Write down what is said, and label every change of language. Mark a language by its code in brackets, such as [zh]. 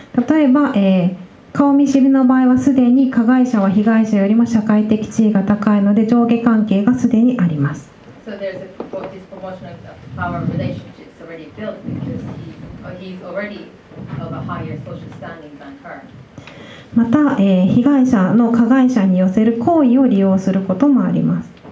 [ja] 例えば、顔見知りの場合はすでに加害者は被害者よりも社会的地位が高いので上下関係がすでにあります。 [en] So there's a disproportionate power relationship already built because he's already of a higher social standing than her. [ja] また、被害者の加害者に寄せる好意を利用することもあります。